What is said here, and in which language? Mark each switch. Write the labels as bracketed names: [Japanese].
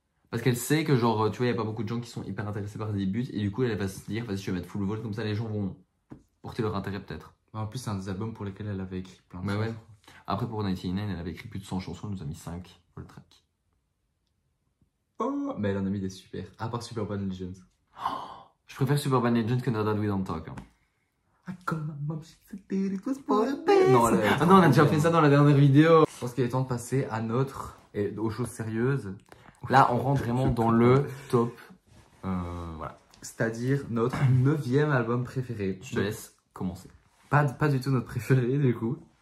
[French] Parce qu'elle sait que, genre, tu vois, y a pas beaucoup de gens qui sont hyper intéressés par des buts. Et du coup, elle va se dire, vas-y, je vais mettre Full Vault. Comme ça, les gens vont porter leur intérêt peut-être. En plus, c'est un des albums pour lesquels elle avait écrit plein de chansons. Ouais. Après, pour 99, elle avait écrit plus de 100 chansons, elle nous a mis 5 pour le track. Oh, mais elle en a mis des super, à part Superbad Legends. Je préfère Superbad Legends que Not That We Don't Talk. Hein. [English] I call my mom, she said that it was for the best. [French] Non, ah non, on a déjà fait ça dans la dernière vidéo. Je pense qu'il est temps de passer à notre et aux choses sérieuses. Là, on rentre vraiment dans le top. Voilà. C'est-à-dire notre 9e album préféré. Je te laisse commencer. Pas du tout notre préféré, du coup.